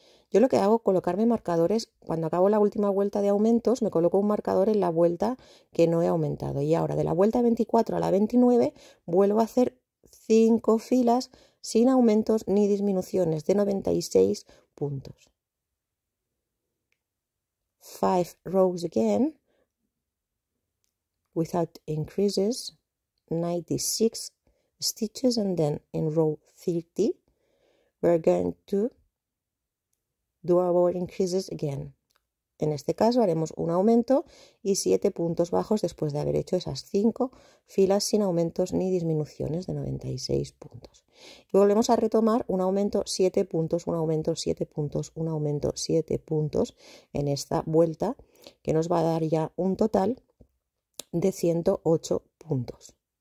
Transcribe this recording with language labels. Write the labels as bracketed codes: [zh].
[es] Yo lo que hago es colocarme marcadores. Cuando acabo la última vuelta de aumentos, me coloco un marcador en la vuelta que no he aumentado. Y ahora, de la vuelta 24 a la 29, vuelvo a hacer 5 filas sin aumentos ni disminuciones de 96 puntos. [en] 5 rows again, without increases, 96 stitches, and then in row 30, we're going to double increases again. [es] En este caso haremos un aumento y 7 puntos bajos después de haber hecho esas 5 filas sin aumentos ni disminuciones de 96 puntos. Y volvemos a retomar un aumento, 7 puntos, un aumento, 7 puntos, un aumento, 7 puntos en esta vuelta que nos va a dar ya un total de 108 puntos.